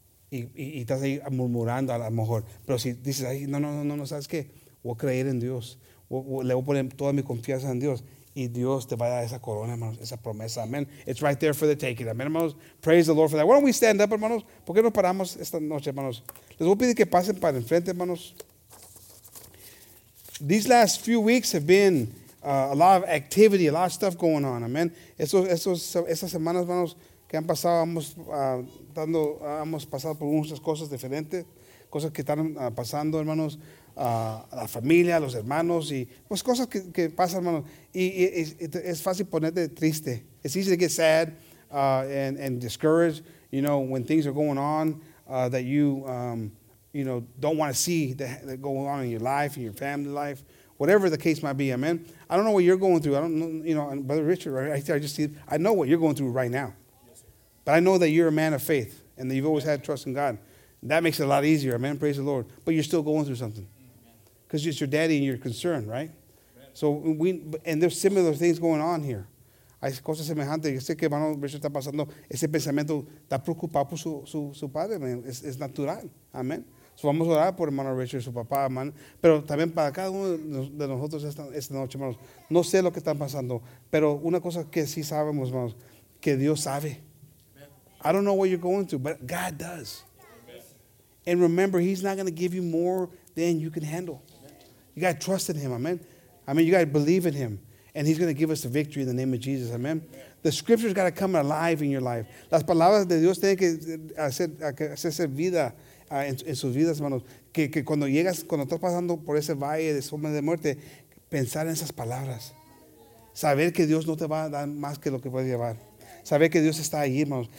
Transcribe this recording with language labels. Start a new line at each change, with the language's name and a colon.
Spanish: Y estás ahí murmurando a lo mejor, pero si dices, ay, no, ¿sabes qué? Voy a creer en Dios. Le voy a poner toda mi confianza en Dios. Y Dios te va a dar esa corona, hermanos, esa promesa.
English: Amen. It's right there for the taking. Amen, hermanos. Praise the Lord for that. Why don't we stand up, hermanos?
Spanish: ¿Por qué nos paramos esta noche, hermanos? Les voy a pedir que pasen para enfrente, hermanos.
English: These last few weeks have been a lot of activity, a lot of stuff going on. Amen.
Spanish: Esas semanas, hermanos, que han pasado, hemos pasado por muchas cosas diferentes, cosas que están pasando, hermanos. La familia, los hermanos y pues cosas que pasan, hermanos, y es fácil ponerte triste.
English: It's easy to get sad and discouraged, you know, when things are going on that you you know, don't want to see that going on in your life, in your family life, whatever the case might be. Amen. I don't know what you're going through. I don't know, you know, and Brother Richard, right? I know what you're going through right now. But I know that you're a man of faith and that you've always had trust in God. That makes it a lot easier, amen. Praise the Lord. But you're still going through something. Because it's your daddy and you're concerned, right? So we, and there's similar things going on here.
Spanish: Hay cosas semejantes. Yo sé que hermano Richard está pasando ese pensamiento. Está preocupado por su padre, man. Es natural. Amen. So vamos a orar por hermano Richard, su papá, man. Pero también para cada uno de nosotros esta noche, hermanos. No sé lo que están pasando. Pero una cosa que sí sabemos, hermanos, que Dios sabe.
English: Amen. I don't know what you're going through, but God does. Amen. And remember, he's not going to give you more than you can handle. You got to trust in him, amen? I mean, you got to believe in him. And he's going to give us the victory in the name of Jesus, amen? Yeah. The scripture's got to come alive in your life.
Spanish: Las palabras de Dios tienen que hacerse vida en sus vidas, hermanos. Que cuando llegas, cuando estás pasando por ese valle de sombra de muerte, pensar en esas palabras. Saber que Dios no te va a dar más que lo que puedes llevar. Saber que Dios está ahí, hermanos.